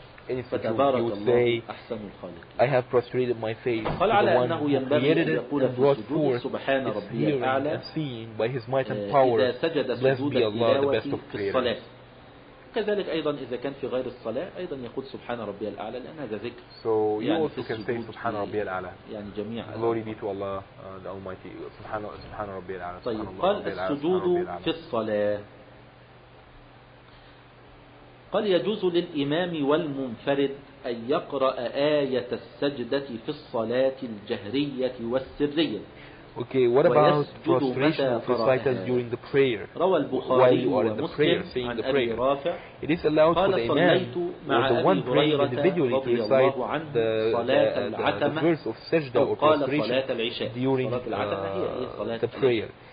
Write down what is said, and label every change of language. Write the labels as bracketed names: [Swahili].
[English] And if you would say, I have prostrated my face to the one who created it and brought forth its hearing and seeing by his might and power, blessed be Allah, the best of creators. [Arabic] كذلك أيضا إذا كان في غير الصلاة أيضا يقول سبحان ربي الأعلى لأن هذا ذكر [English] so you يعني also can say [Arabic] سبحان ربي الأعلى يعني جميع [English] glory be to Allah the Almighty [Arabic] سبحان ربي الأعلى طيب قال السجود في الصلاة قال يجوز للإمام والمنفرد أن يقرأ آية السجدة في الصلاة الجهرية والسرية [English] Okay, what about prostration of recitals during the prayer while you are in the prayer, saying the prayer? It is allowed for the imam or the one praying individually to recite the verse of sajda or prostration during the prayer.